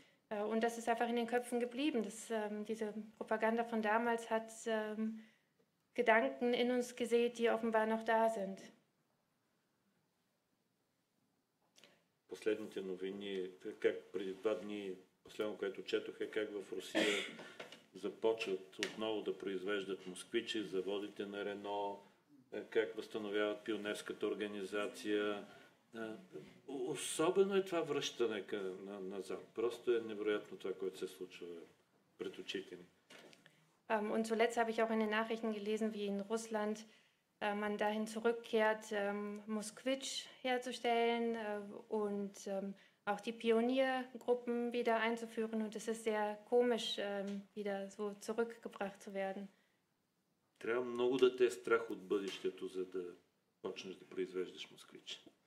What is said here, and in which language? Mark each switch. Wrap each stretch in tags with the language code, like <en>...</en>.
<de>Und das ist einfach in den Köpfen geblieben. Das, diese Propaganda von damals hat Gedanken in uns gesät, die offenbar noch da sind.</de> <bg>Последните новини, как преди два дни, последно, което четох, е как в Русия започват отново да произвеждат москвичи, заводите на Рено, как възстановяват пионерската организация. Особено е това връщане назад. Просто е невероятно това, което се случва пред очите ни.</bg> <de>Und zuletzt habe ich auch in den Nachrichten gelesen, wie in Russland man dahin zurückkehrt, Moskvitsch herzustellen und auch die Pioniergruppen wieder einzuführen. Und es ist sehr komisch, wieder so zurückgebracht zu werden.</de> <bg>Трябва много да те е страх от бъдещето, за да почнеш да произвеждаш москвичи.</bg>